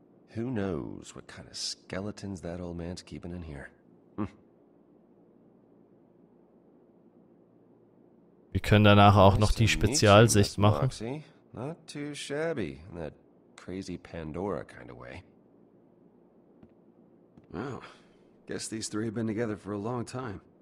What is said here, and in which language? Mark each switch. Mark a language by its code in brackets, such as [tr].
[en] Who knows what kind of skeletons that old man's keeping in here? [de] Wir können danach auch noch die Spezialsicht machen. [en] Not too shabby in that crazy Pandora kind of way. Wow, guess these three have been together for a long time.